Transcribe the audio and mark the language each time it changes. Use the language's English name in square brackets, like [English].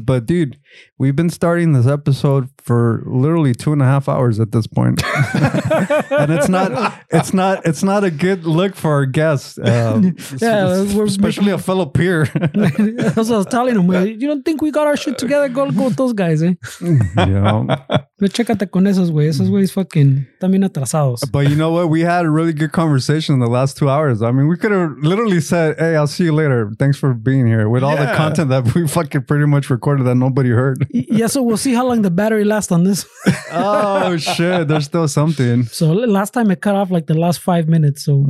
[English] But dude, we've been starting this episode for literally 2.5 hours at this point. And it's not a good look for our guests. Especially a fellow peer. That's what I was telling him. You don't think we got our shit together? Go with those guys, eh? Yeah. [Spanish] Chécate con esos, güey. Esos güeyes fucking también atrasados. [English] But you know what? We had a really good conversation in the last 2 hours. I mean, we could have literally said, hey, I'll see you later. Thanks for being here. With all the content that we fucking pretty much recorded that nobody heard. Yeah, so we'll see how long the battery lasts on this. Oh, shit. There's still something. So last time it cut off like the last 5 minutes. So